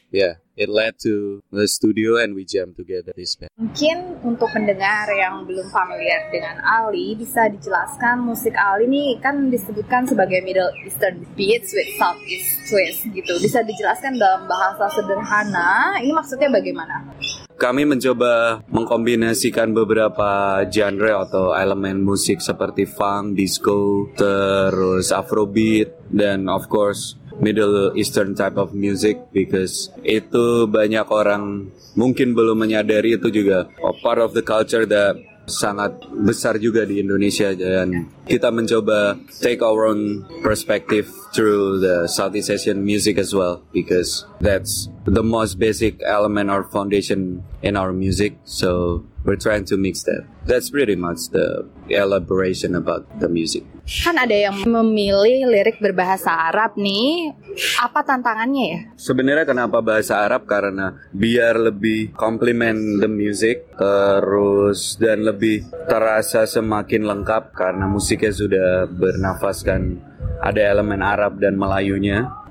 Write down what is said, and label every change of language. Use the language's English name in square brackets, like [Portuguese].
[English] Yeah, it led to the studio and we jam together this band. [Indonesian] Mungkin untuk pendengar yang belum familiar dengan Ali, bisa dijelaskan musik Ali ini kan disebutkan sebagai [English] Middle Eastern beats with Southeast twist [Indonesian] gitu. Bisa dijelaskan dalam bahasa sederhana, ini maksudnya bagaimana? Kami mencoba mengkombinasikan beberapa genre atau elemen musik seperti funk, disco, terus afrobeat, dan [English] of course Middle Eastern type of music, because [Indonesian] itu banyak orang mungkin belum menyadari itu juga [English] part of the culture that [Indonesian] sangat besar juga di Indonesia, dan kita mencoba [English] take our own perspective through the Southeast Asian music as well, because that's the most basic element or foundation in our music, so we're trying to mix that. That's pretty much the elaboration about the music. [Indonesian] Kan ada yang memilih lirik berbahasa Arab nih, apa tantangannya ya? Sebenarnya kenapa bahasa Arab? Karena biar lebih [English] complement the music, [Indonesian] terus dan lebih terasa semakin lengkap, karena musiknya sudah bernafaskan ada elemen Arab dan Melayunya.